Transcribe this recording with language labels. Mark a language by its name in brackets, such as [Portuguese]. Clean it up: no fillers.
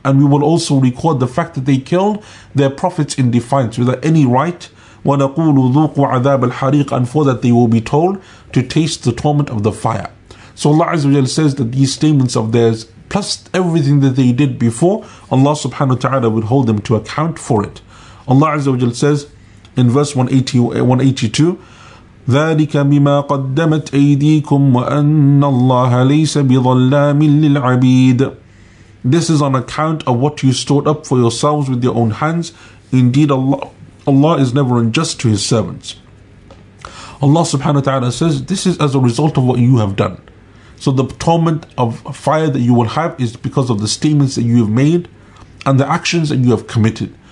[English] And we will also record the fact that they killed their prophets in defiance without any right. [Arabic] وَنَقُولُ ذُوقُ عَذَابَ الْحَرِيقِ. [English] And for that they will be told to taste the torment of the fire. So Allah Azza wa Jalla says that these statements of theirs, plus everything that they did before, Allah subhanahu wa ta'ala would hold them to account for it. Allah Azza wa Jalla says in verse 182, [Arabic] ذَلِكَ بِمَا قَدَّمَتْ أَيْدِيكُمْ وَأَنَّ اللَّهَ لَيْسَ بِظَلَّامٍ لِلْعَبِيدِ. [English] This is on account of what you stored up for yourselves with your own hands. Indeed, Allah is never unjust to his servants. Allah subhanahu wa ta'ala says, this is as a result of what you have done. So the torment of fire that you will have is because of the statements that you have made and the actions that you have committed.